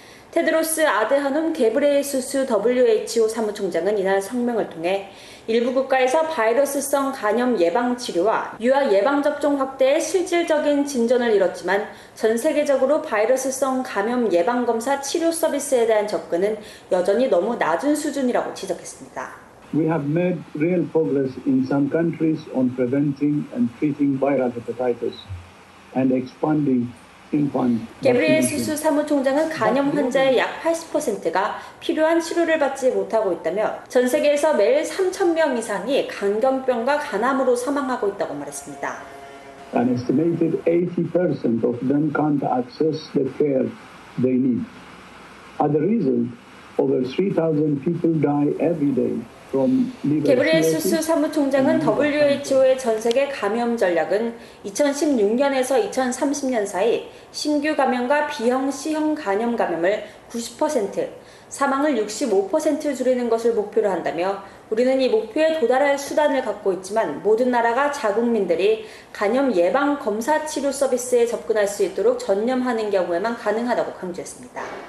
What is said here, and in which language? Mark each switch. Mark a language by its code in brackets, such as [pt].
[ko] 테드로스 아드하놈 게브레예수스 WHO 사무총장은 이날 성명을 통해 일부 국가에서 바이러스성 간염 예방 치료와 유아 예방 접종 확대에 실질적인 진전을 이뤘지만 전 세계적으로 바이러스성 간염 예방 검사 치료 서비스에 대한 접근은 여전히 너무 낮은 수준이라고 지적했습니다. [en] We have made real progress in some countries on preventing and treating viral hepatitis and expanding [ko] 게브리예수스 사무총장은 간염 환자의 약 80%가 필요한 치료를 받지 못하고 있다며 전 세계에서 매일 3,000명 이상이 간염병과 간암으로 사망하고 있다고 말했습니다. [en] An estimated 80% of them can't access the care they need. As a result, over 3,000 people die every day. [ko] 게브레예수스 사무총장은 WHO의 전 세계 감염 전략은 2016년에서 2030년 사이 신규 감염과 B형, C형 간염 감염을 90%, 사망을 65% 줄이는 것을 목표로 한다며 우리는 이 목표에 도달할 수단을 갖고 있지만 모든 나라가 자국민들이 간염 예방 검사 치료 서비스에 접근할 수 있도록 전념하는 경우에만 가능하다고 강조했습니다.